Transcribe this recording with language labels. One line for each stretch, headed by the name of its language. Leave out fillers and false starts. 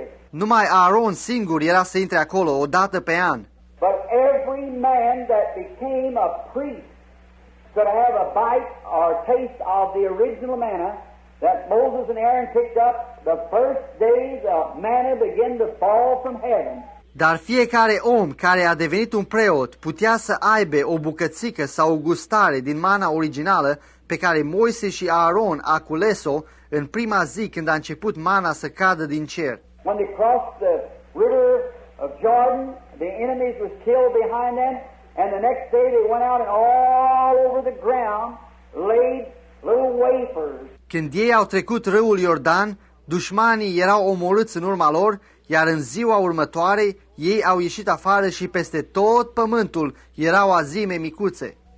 Romanian: Numai Aaron singur era să intre acolo o dată pe an.
English: But every man that became a priest could have a bite or a taste of the original manna that Moses and Aaron picked up the first day the manna began to fall from heaven.
Romanian: Dar fiecare om care a devenit un preot putea să aibă o bucățică sau o gustare din mana originală pe care Moise și Aaron a cules-o în prima zi când a început mana să cadă din cer.
English: When they crossed the river of Jordan, the enemies were killed behind them, and the next day they went out and all over the ground laid little wafers.
Romanian: Când ei au trecut râul Iordan, dușmanii erau omorâți în urma lor, iar în ziua următoare, ei au ieșit afară și peste tot pământul erau azime micuțe.